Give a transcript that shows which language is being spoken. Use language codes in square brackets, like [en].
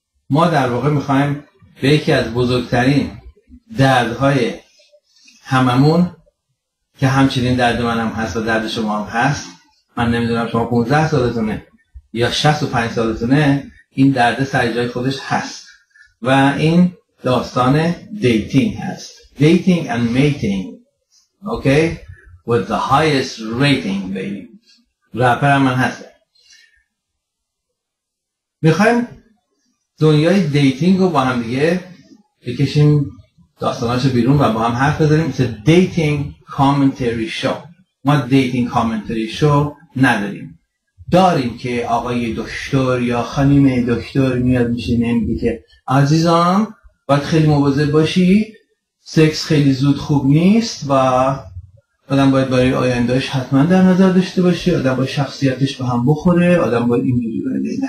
[fa] ما در واقع میخواییم به یکی از بزرگترین دردهای هممون که همچنین درد من هم هست و درد شما هم هست، من نمیدونم شما 15 سالتونه یا 65 سالتونه، این درد سر جای خودش هست و این داستان دیتینگ هست. [en] Dating and meeting, okay? with the highest rating baby. [fa] رپر هم من هست. میخوایم دنیای دیتینگ رو با هم دیگه بکشیم داستاناشو بیرون و با هم حرف بزنیم. [en] It's a dating commentary show. ما dating commentary show نداریم. [fa] داریم که آقای دکتر یا خانم دکتر میاد میشه نمیگه که عزیزم باید خیلی مواظب باشی، سکس خیلی زود خوب نیست و آدم باید برای آیندهش حتما در نظر داشته باشه، آدم باید شخصیتش به هم بخوره، آدم باید این دیگه.